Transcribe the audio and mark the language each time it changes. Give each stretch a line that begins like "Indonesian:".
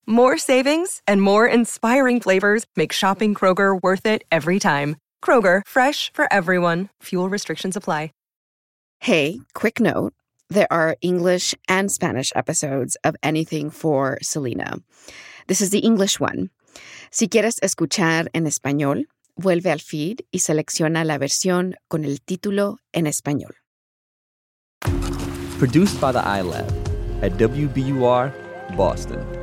English: More savings and more inspiring flavors make shopping Kroger worth it every time. Kroger, fresh for everyone. Fuel restrictions apply. Hey, quick note, there are English and Spanish episodes of Anything for Selena. This is the English one.
Spanish: Si quieres escuchar en español, vuelve al feed y selecciona la versión con el título en español.
English: Produced by the iLab at WBUR Boston.